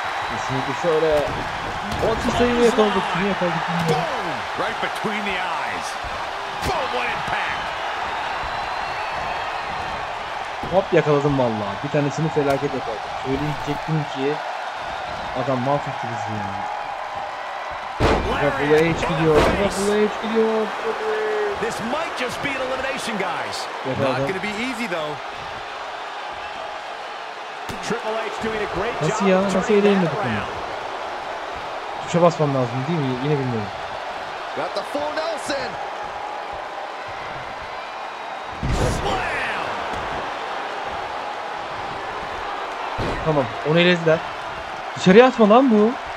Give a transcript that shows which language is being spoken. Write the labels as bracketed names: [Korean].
[Turkish] Kesinlikle şöyle. O tuşu sayımı yakaladık. Kimi yakaladık bilmiyorum. [English] Right between the eyes. Boom, what impact. [Turkish] Hop yakaladım vallahi. Bir tanesini felaket yakaladım. Söyleyecektim ki adam mahvetti bizi ya. Triple H gidiyor. Triple H gidiyor. [English] This might just be an elimination, guys. Not gonna be easy though. Triple H doing a great job. [Turkish] Nasıl ya? Nasıl edeyim bunu? Tuşa basmam lazım değil mi? Yine bilmiyorum. [English] Got the full Nelson. [Turkish] Tamam, onu elezler. Dışarıya atma lan bu.